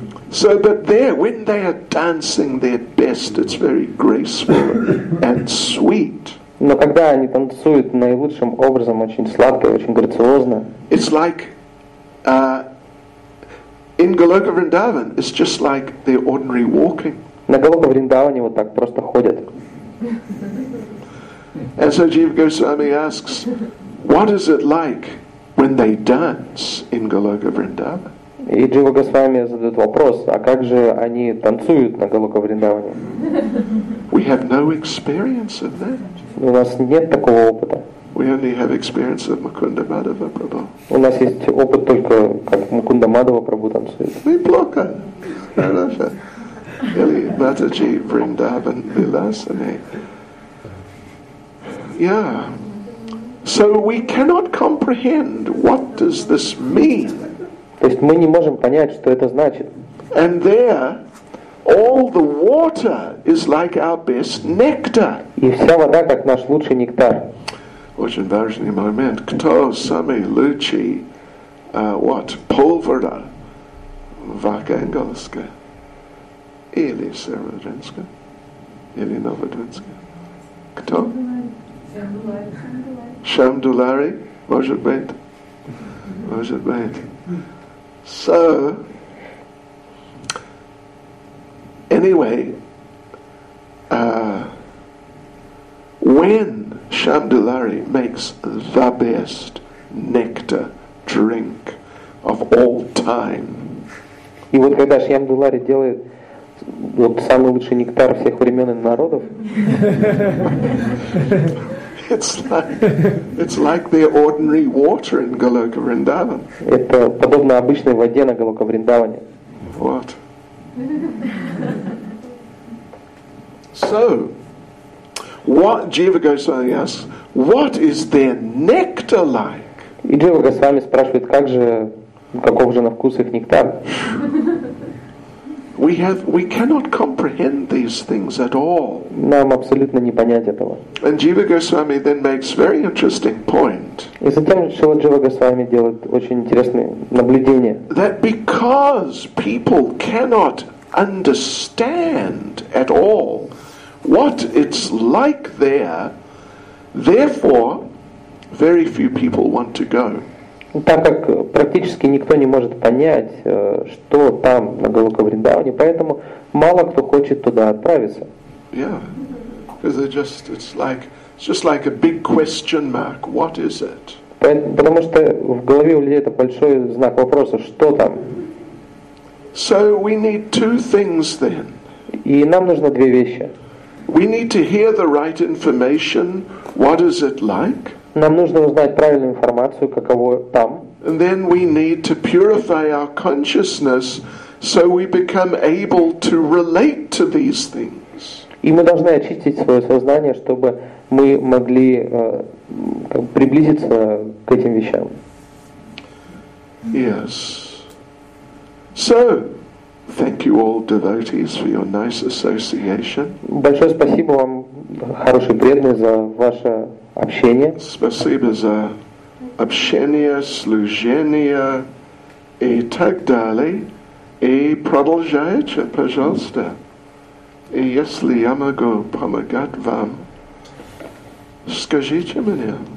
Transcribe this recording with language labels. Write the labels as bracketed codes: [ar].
[en] So, but there, when they are dancing their best, it's very graceful and sweet. [ru] Но когда они танцуют наилучшим образом, очень сладко, очень грациозно. [en] It's like in Goloka Vrindavan. It's just like their ordinary walking. [ru] На Голока Вриндаване вот так просто ходят. [en] And so Jiva Goswami asks, what is it like when they dance in Goloka Vrindavan? [ru] И Джива Госвами задает вопрос, а как же они танцуют на Голока Вриндаване? [en] We have no experience of that. [ru] У нас нет такого опыта. [en] We only have experience of Mukunda Madhava Prabhu. [ru] У нас есть опыт только, как Мукунда Мадхава Прабху танцует. Неплохо. или Матаджи Вриндаван Виласани. [en] Yeah. So we cannot comprehend what does this mean. [ru] То есть мы не можем понять, что это значит. [en] And there, all the water is like our best nectar. [ru] И вся вода как наш лучший нектар. Очень важный момент. Кто самый лучший? [en] What? [ru] Pulvera в Архангельске или Северодвинске или Новодвинске? Кто? Шамдулари, может быть? Может быть. [en] So, anyway, when Шамдулари makes the best nectar drink of all time. [ru] И вот когда Шамдулари делает вот самый лучший нектар всех времен и народов. [en] It's like the ordinary water in Goloka Vrindavan. [ru] Это подобно обычной воде на Голока Вриндаване. [en] What? So, what Jiva Goswami asks, what is their nectar like? [ru] И Джива Госвами спрашивает, как же, каков же на вкус их нектар? [en] We cannot comprehend these things at all. [ru] Нам абсолютно не понять этого. [en] And Jiva Goswami then makes very interesting point. [ru] И затем Джива Госвами делает очень интересное наблюдение. [en] That because people cannot understand at all what it's like there, therefore, very few people want to go. [ru] Так как практически никто не может понять, что там на Голока Вриндаване, поэтому мало кто хочет туда отправиться. [en] Yeah, because it's just like a big question mark. What is it? [ru] Потому что в голове у людей это большой знак вопроса, что там. [en] So we need two things then. [ru] И нам нужно две вещи. [en] We need to hear the right information. What is it like? [ru] Нам нужно узнать правильную информацию, каково там. [en] And then we need to purify our consciousness so we become able to relate to these things. [ru] И мы должны очистить свое сознание, чтобы мы могли приблизиться к этим вещам. [en] Yes. So, thank you all devotees for your nice association. [ru] Большое спасибо вам, хорошие преданные, за ваше общение. Спасибо за общение, служение и так далее. И продолжайте, пожалуйста. И если я могу помогать вам, скажите мне.